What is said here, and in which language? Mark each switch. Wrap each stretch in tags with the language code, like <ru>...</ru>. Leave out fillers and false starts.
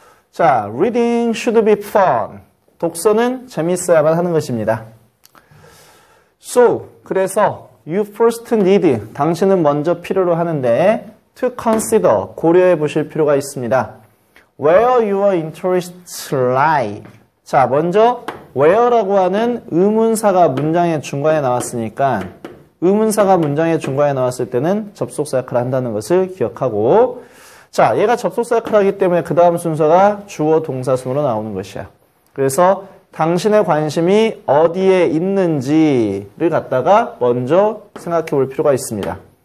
<en>자, reading should be fun.</en> <ko>독서는 재밌어야만 하는 것입니다.</ko> <en>So,</en> <ko>그래서</ko> <en>you first need,</en> <ko>당신은 먼저 필요로 하는데</ko> <en>to consider,</en> <ko>고려해 보실 필요가 있습니다.</ko> <en>Where your interests lie.</en> <ko>자, 먼저 where라고 하는 의문사가 문장의 중간에 나왔으니까 의문사가 문장의 중간에 나왔을 때는 접속사 역할을 한다는 것을 기억하고, 자, 얘가 접속사 역할을 하기 때문에 그 다음 순서가 주어 동사 순으로 나오는 것이야. 그래서 당신의 관심이 어디에 있는지를 갖다가 먼저 생각해 볼 필요가 있습니다.</ko>